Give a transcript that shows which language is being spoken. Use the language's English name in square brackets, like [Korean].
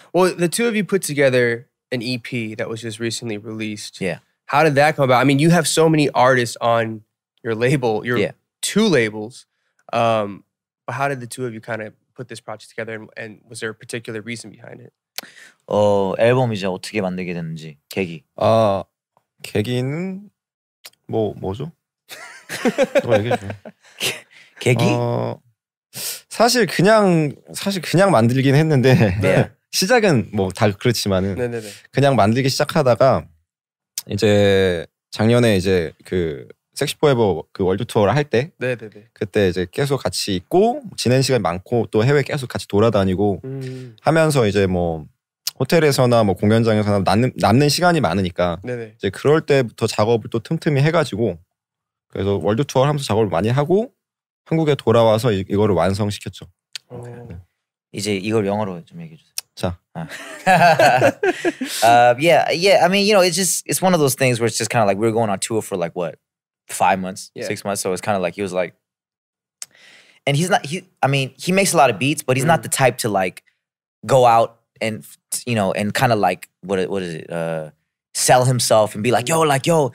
[English] Well, the two of you put together an EP that was just recently released. Yeah. How did that come about? I mean, you have so many artists on your label. Your yeah. two labels. But how did the two of you kind of put this project together? And was there a particular reason behind it? [Korean] 앨범 이제 어떻게 만들게 됐는지, 계기. 계기는 뭐 뭐죠? 뭐 얘기해 줘. 계기? 사실 그냥 만들긴 했는데 네. 시작은 뭐 다 그렇지만은 네네네. 그냥 만들기 시작하다가 이제 작년에 이제 그 섹시 포에버 그 월드 투어를 할 때 네네네. 그때 이제 계속 같이 있고 지낸 시간 많고 또 해외 계속 같이 돌아다니고 하면서 이제 뭐 호텔에서나 뭐 공연장에서나 남는 시간이 많으니까 네네. 이제 그럴 때부터 작업을 또 틈틈이 해가지고 그래서 월드 투어 하면서 작업을 많이 하고 한국에 돌아와서 이거를 완성시켰죠. 네. 이제 이걸 영어로 좀 얘기해 주세요. 자. 아. [English] yeah, yeah. I mean, you know, it's one of those things where it's just kind of like we're going on tour for like what 5 months, yeah. 6 months. So it's kind of like he was like, and he's not. He, I mean, he makes a lot of beats, but he's not the type to like go out. And you know, and kind of like what is it? Sell himself and be like yo, let's work,